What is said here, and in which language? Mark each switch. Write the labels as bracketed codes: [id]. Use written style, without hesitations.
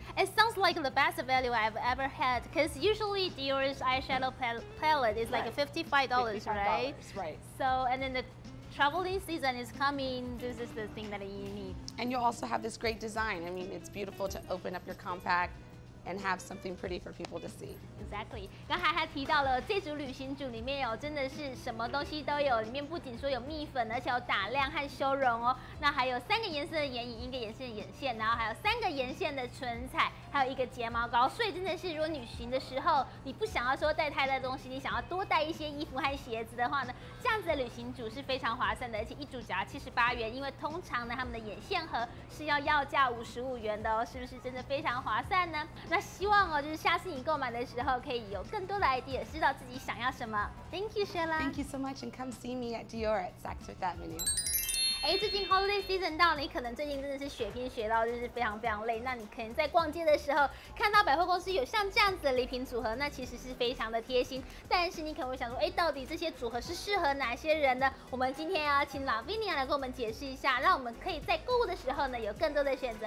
[en] It sounds like the best value I've ever had, because usually Dior's eyeshadow palette is like $55, right? So, and then the traveling season is coming, this is the thing that you need. And you also have this great design. I mean, it's beautiful to open up your compact. And have something pretty for people to see. Exactly. [zh] 刚才他提到了这组旅行组里面有真的是什么东西都有，里面不仅说有蜜粉，而且有打亮和修容哦。那还有三个颜色的眼影，一个颜色的眼线，然后还有三个颜线的唇彩，还有一个睫毛膏。所以真的是，如果旅行的时候你不想要说带太多东西，你想要多带一些衣服和鞋子的话呢，这样子的旅行组是非常划算的，而且一组只要$78，因为通常呢他们的眼线盒是要要价$55的哦，是不是真的非常划算呢？那希望哦，就是下次你购买的时候，可以有更多的 idea， 知道自己想要什么。 [en] Thank you, Shella. Thank you so much, and come see me at Dior at Saks Fifth Avenue. [zh] 哎，最近 holiday season 到，你可能最近真的是血拼血到，就是非常非常累。那你可能在逛街的时候看到百货公司有像这样子的礼品组合，那其实是非常的贴心。但是你可能会想说，哎，到底这些组合是适合哪些人呢？我们今天要请 Lavinia 来跟我们解释一下，让我们可以在购物的时候呢有更多的选择。